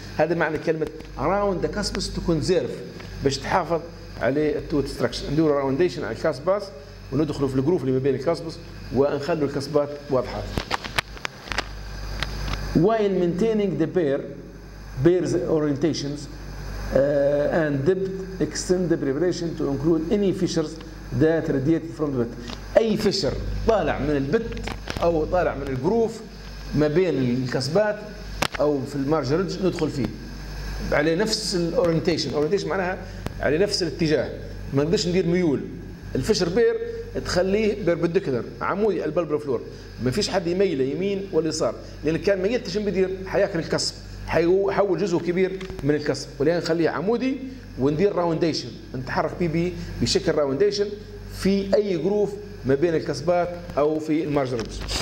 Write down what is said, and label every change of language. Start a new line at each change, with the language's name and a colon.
Arabic: هذا معنى كلمه راوند ذا كاسبس تو كونزرف، باش تحافظ على التوت ستراكشر. ندير راونديشن على الكاسباس وندخلوا في الجروف اللي ما بين الكاسبس ونخلوا الكاسبات واضحه.
English: While maintaining the bear's orientations and depth, extend the preparation to include any fissures that radiate from the bit.
Arabic: أي فشر طالع من البت أو طالع من الجروف ما بين الكسبات أو في المارجرج ندخل فيه على نفس الorientation. orientation معناها على نفس الاتجاه، ما نقدرش ندير ميول. الفشر بير تخليه بيربنديكولر، عمودي البلبر فلور، ما فيش حد يميله يمين ولا يسار، لان كان ميلت شنو بيدير؟ حياكل الكسب، حيحول جزء كبير من الكسب، ولهذا نخليه عمودي وندير راونديشن، نتحرك بي بشكل راونديشن في اي جروف ما بين الكسبات او في المارجرز.